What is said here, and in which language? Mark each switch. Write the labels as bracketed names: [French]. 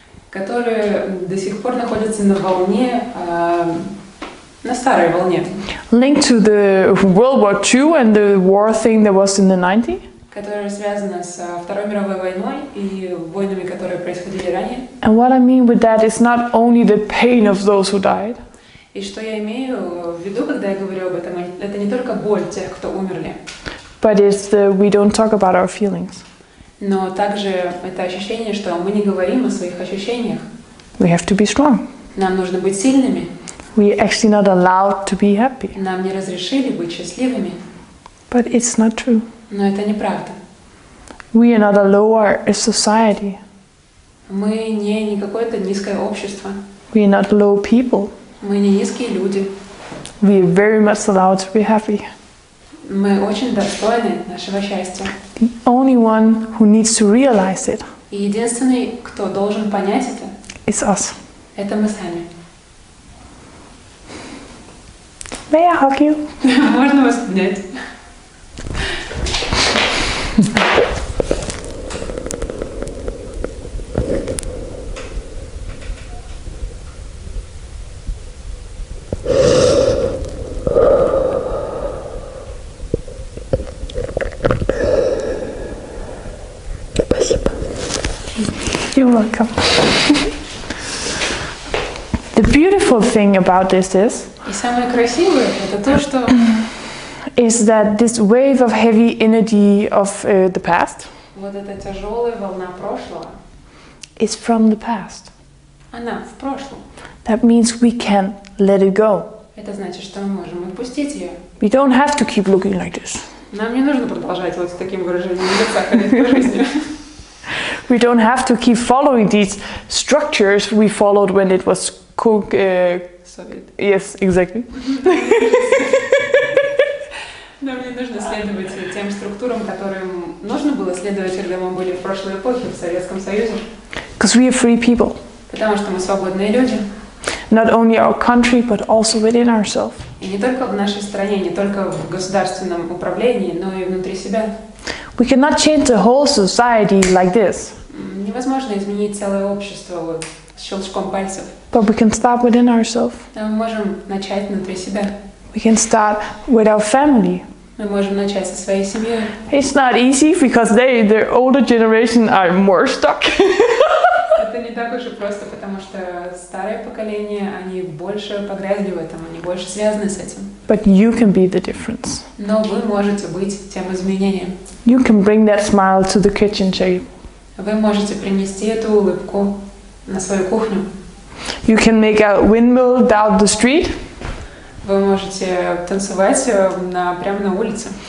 [Russian] Которые до сих пор находятся на волне, на старой волне. [English] Linked to the World War II and the war thing that was in the 90s. [Russian] Которая связана с Второй мировой войной и войнами, которые происходили ранее. [English] And what I mean with that is not only the pain of those who died. [Russian] И что я имею в виду, когда я говорю об этом, это не только боль тех, кто умерли. [English] But it's the we don't talk about our feelings. [Russian] Но также это ощущение, что мы не говорим о своих ощущениях. [English] We have to be strong. [Russian] Нам нужно быть сильными. [English] We actually not allowed to be happy. [Russian] Нам не разрешили быть счастливыми. [English] But it's not true. [Russian] Но это неправда. [English] We are not a lower society. [Russian] Мы не какое-то низкое общество. [English] We are not low people. [Russian] Мы не низкие люди. [English] We are very much allowed to be happy. [Russian] Мы очень достойны нашего счастья. [English] The only one who needs to realize it. [Russian] И единственный, кто должен понять это. [English] It's us. [Russian] Это мы сами. [English] May I hug you? [Russian] Можно вас обнять? [English] You're welcome. The beautiful thing about this is [Russian] и самое красивое, это то, что [English] is that this wave of heavy energy of the past [Russian] вот эта тяжелая волна прошлого [English] is from the past. [Russian] Она в прошлом. [English] That means we can let it go. [Russian] Это значит, что мы можем отпустить ее. [English] We don't have to keep looking like this. [Russian] Нам не нужно продолжать вот с таким выражением лица ходить по жизни. [English] We don't have to keep following these structures we followed when it was Soviet. Yes, exactly. [Russian] Нам не нужно следовать тем структурам, которым нужно было следовать, когда мы были в прошлой эпохе в Советском Союзе. [English] Because we are free people. [Russian] Потому что мы свободные люди. [English] Not only our country, but also within ourselves. [Russian] И не только в нашей стране, не только в государственном управлении, но и внутри себя. [English] We cannot change the whole society like this. [Russian] Невозможно изменить целое общество вот щелчком пальцев. [English] But we can start within ourselves. [Russian] Мы можем начать внутри себя. [English] We can start with our family. [Russian] Мы можем начать со своей семьей. [English] It's not easy because the older generation are more stuck. [Russian] Это не так уж и просто, потому что старое поколение, они больше погрязли в этом, они больше связаны с этим. [English] But you can be the difference. [Russian] Но вы можете быть тем изменением. [English] You can bring that smile to the kitchen table. [Russian] Вы можете принести эту улыбку на свою кухню. [English] You can make a windmill down the street. [Russian] Вы можете танцевать прямо на улице.